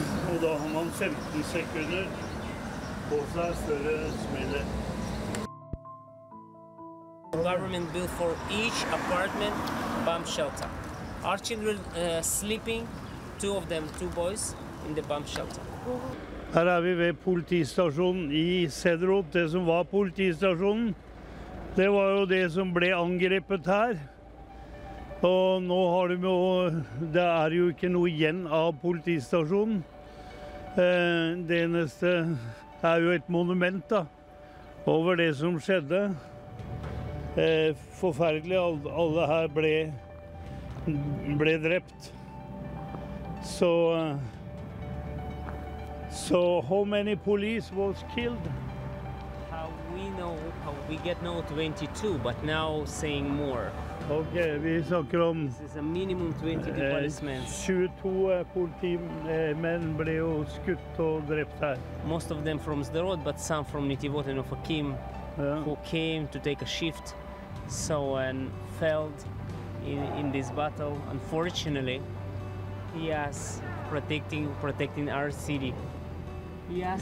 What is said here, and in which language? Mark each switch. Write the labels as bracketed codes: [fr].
[no] Og da har man 15 sekunder på seg større smiler. [en] Government built for each apartment bomb shelter. Our children sleeping, two of them, two boys, in the bomb shelter. [no] Her er vi ved politistasjonen i Cederup, det som var politistasjonen. Det var jo det som ble angrepet her. Og nå har de jo, det er jo ikke noe igjen av politistasjonen. Det eneste er jo et monument da, over det som skjedde. Forferdelig, alle her ble drept. [en] So how many police was killed? How we know, how we get now 22, but now saying more. [no] Okay, vi snakker om... [en] This is a minimum 22 policemen. [no] 22 politimenn ble jo skutt og drept her. [en] Most of them from Sderot, but some from Nitivot and Ofakim, who came to take a shift. So, and failed in this battle, unfortunately. Yes, protecting our city. Yes.